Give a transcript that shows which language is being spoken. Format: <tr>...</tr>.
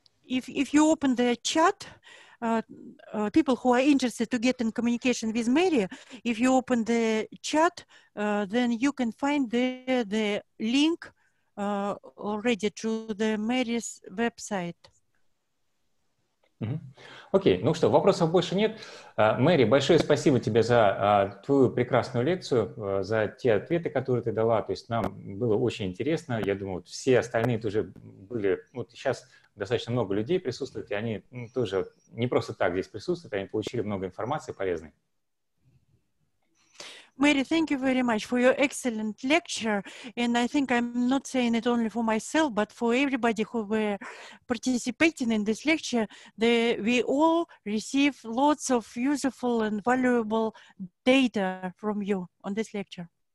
<en>If you open the chat, people who are interested to get in communication with Mary, if you open the chat, then you can find the link already to the Mary's website.</en> <ru>Окей, ну что, вопросов больше нет. Мэри, большое спасибо тебе за твою прекрасную лекцию, за те ответы, которые ты дала. То есть нам было очень интересно. Я думаю, все остальные тоже были. Вот сейчас достаточно много людей присутствует, и они тоже не просто так здесь присутствуют, они получили много информации полезной.</ru> <en>Mary, thank you very much for your excellent lecture. And I think I'm not saying it only for myself, but for everybody who were participating in this lecture, we all receive lots of useful and valuable data from you on this lecture.</en>